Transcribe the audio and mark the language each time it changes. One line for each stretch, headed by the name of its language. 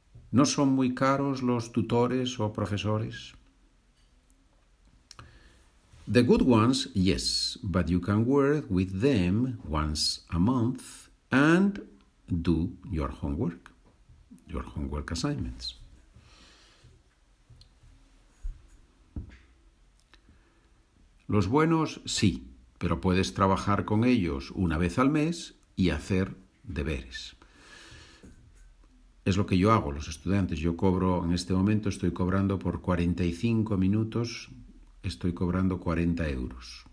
Spanish: ¿No son muy caros los tutores o profesores?
English: The good ones, yes, but you can work with them once a month and do your homework assignments.
Spanish: Los buenos, sí, pero puedes trabajar con ellos una vez al mes y hacer deberes. Es lo que yo hago, los estudiantes. Yo cobro, en este momento estoy cobrando por 45 minutos, estoy cobrando 40 euros.